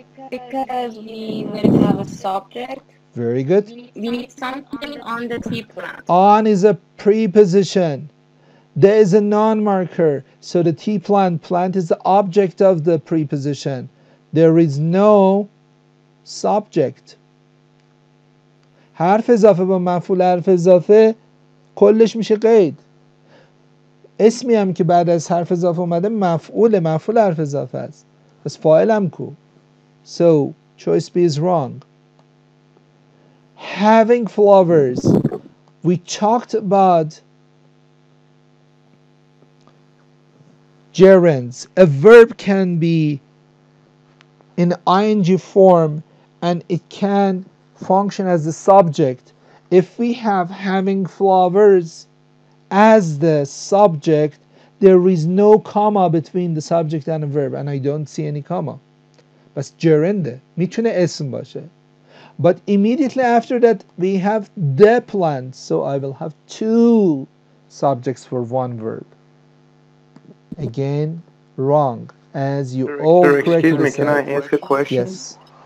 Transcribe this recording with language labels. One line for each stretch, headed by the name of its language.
English: Because we will have a subject. Very good. We need something on the tea plant. On is a preposition. There is a noun marker. So the tea plant, plant is the object of the preposition. There is no subject.
Persian: حرف اضافه با مفعول حرف اضافه کلش میشه قید. اسمی هم که بعد از حرف اضافه اومده مفعول مفعول حرف اضافه است.
English: پس فاعل هم کو. So, choice B is wrong. Having flowers. We talked about gerunds. A verb can be in ing form and it can function as the subject. If we have having flowers as the subject, there is no comma between the subject and the verb, and I don't see any comma.
Persian: بس جرنده میتونه اسم باشه.
English: But immediately after that we have the plant, so I will have two subjects for one verb. Again, wrong. As you all correctly said. Excuse me, can I ask a question? Yes.